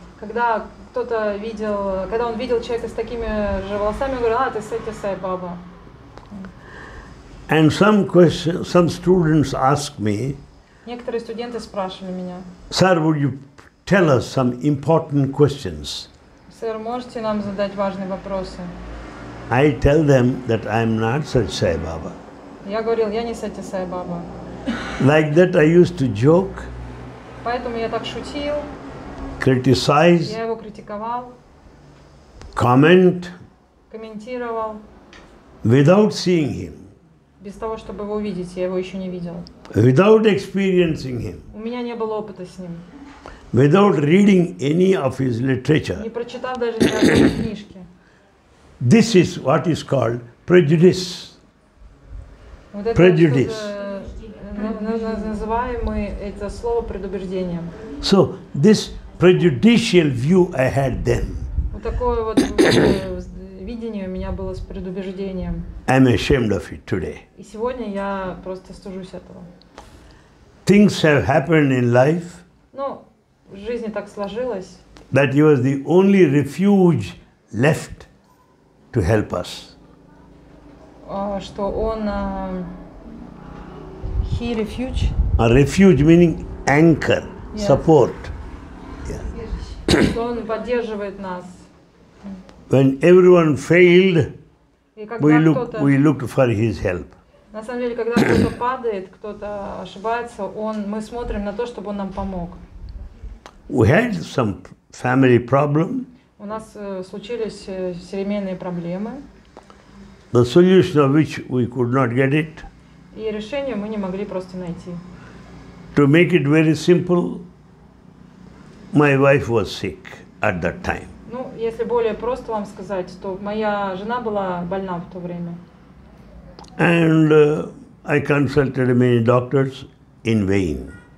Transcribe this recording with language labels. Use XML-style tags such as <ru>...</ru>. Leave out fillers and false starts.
<ru>Когда кто-то видел, когда он видел человека с такими же волосами, он говорил: «А, ты Сати Сай Баба».</ru> <en>And some questions, some students ask me.</en> <ru>Некоторые студенты спрашивали меня.</ru> <en>Sir, would you tell us some important questions?</en> <ru>Сэр, можете нам задать важные вопросы?</ru> <en>I tell them that I am not Сати Сай Баба.</en> <ru>Я говорил, я не Сати Сай Баба.</ru> <en>Like that I used to joke.</en> <ru>Поэтому я так шутил.</ru> <en>Criticize.</en> <ru>Я его критиковал.</ru> <en>Comment.</en> <ru>Комментировал.</ru> <en>Without seeing him.</en> <ru>Без того, чтобы его увидеть, я его еще не видел.</ru> <en>Without experiencing him.</en> <ru>У меня не было опыта с ним.</ru> <en>Without reading any of his literature.</en> <ru>Не прочитав даже ни одной книжки.</ru> <en>This is what is called prejudice.</en> <ru>Вот prejudice. Называемый это слово предубеждением.</ru> <en>So this prejudicial view I had then.</en> <ru>Вот такое вот видение у меня было с предубеждением.</ru> <en>I'm ashamed of it today.</en> <ru>И сегодня я просто стыжусь этого.</ru> <en>Things have happened in life.</en> <ru>Ну, в жизни так сложилось.</ru> <en>That he was the only refuge left to help us.</en> <ru>Что он</ru> <en>he refuge. A refuge meaning anchor, yes. Support.</en> <ru>Что он поддерживает нас.</ru> <en>When everyone failed, we looked for his help.</en> <ru>На самом деле, когда кто-то падает, кто-то ошибается, мы смотрим на то, чтобы он нам помог.</ru> <en>We had some family problem.</en> <ru>У нас случились семейные проблемы.</ru> <en>The solution of which we could not get it.</en> <ru>И решение мы не могли просто найти.</ru> <en>To make it very simple, my wife was sick at that time.</en> <ru>Ну, если более просто вам сказать, то моя жена была больна в то время.</ru> <en>And I consulted many doctors in vain.</en>